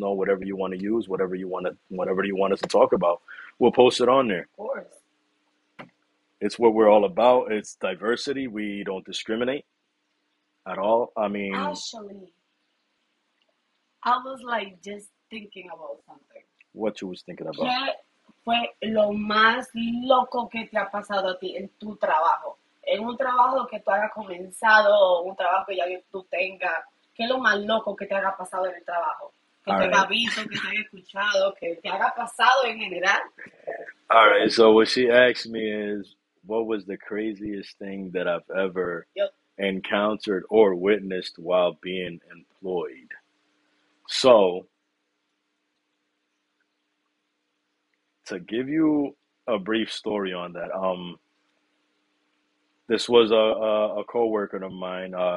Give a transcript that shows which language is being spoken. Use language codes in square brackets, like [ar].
[en] us know whatever you want to use, whatever you want us to talk about. We'll post it on there. course. It's what we're all about. It's diversity. We don't discriminate at all. I mean, Actually, I was like just thinking about something. what you was thinking about? [es] ¿Qué fue lo más loco que te ha pasado a ti en tu trabajo? En un trabajo que tú hayas comenzado, un trabajo que ya tú tengas. ¿Qué es lo más loco que te haya pasado en el trabajo? Que [en] All [es] te haya [en] right. [es] visto, que te haya escuchado, que te haya pasado en general. [en] All right. So what she asked me is, what was the craziest thing that I've ever encountered or witnessed while being employed? So, to give you a brief story on that, this was a coworker of mine.